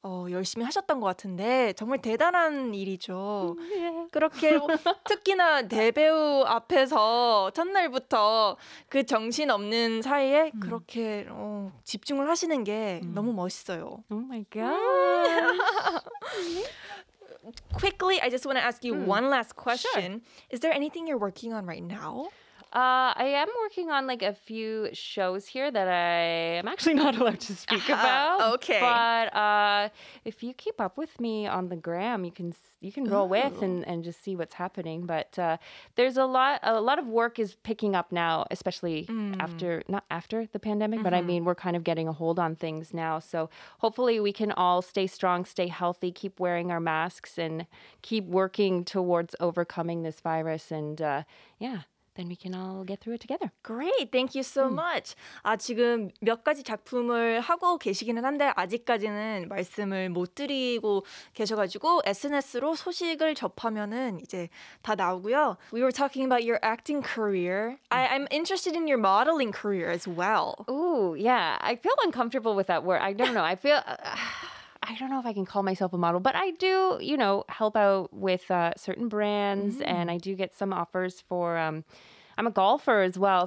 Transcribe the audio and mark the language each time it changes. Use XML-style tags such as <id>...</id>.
<ko>열심히 하셨던 것 같은데 정말 대단한 일이죠. 그렇게 특히나 대배우 앞에서 첫날부터 그 정신 없는 사이에 그렇게 집중을 하시는 게 너무 멋있어요.</ko> <en>Oh my god. Quickly, I just want to ask you one last question. Sure. Is there anything you're working on right now? I am working on like a few shows here that I am actually not allowed to speak about. Okay. But if you keep up with me on the gram, you can roll with and just see what's happening. But there's a lot of work is picking up now, especially after the pandemic. Mm-hmm. But I mean, we're kind of getting a hold on things now. So hopefully we can all stay strong, stay healthy, keep wearing our masks and keep working towards overcoming this virus. And then we can all get through it together. Great. Thank you so much.</en> <ko>지금 몇 가지 작품을 하고 계시기는 한데 아직까지는 말씀을 못 드리고 계셔가지고 SNS로 소식을 접하면은 이제 다 나오고요.</ko> <en>We were talking about your acting career. I'm interested in your modeling career as well. Ooh, yeah. I feel uncomfortable with that word. I don't know. I don't know if I can call myself a model, but I do, you know, help out with certain brands and I do get some offers for, I'm a golfer as well.</en>